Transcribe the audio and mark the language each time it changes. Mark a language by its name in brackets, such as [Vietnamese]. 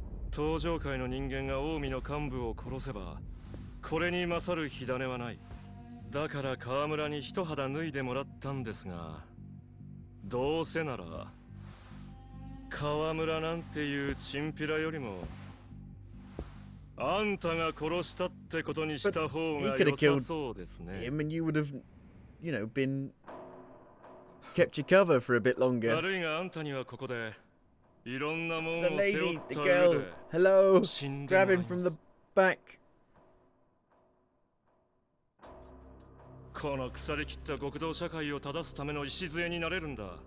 [Japanese] 東条会の人間が近江の幹部を殺せばこれに勝る火種はないだから河村に一肌脱いでもらったんですがどうせなら川村なんていうチンピラよりもあんたが殺したってことにした方が良さそうですね。 [English] I mean, you would have, you know, been kept your cover for a bit longer. [Japanese] 悪いがあんたにはここでいろんなもんを背負った上で、 [English] The lady, the girl, hello, grabbing from the back. [Japanese] この腐り切った極道社会を正すための礎になれるんだ。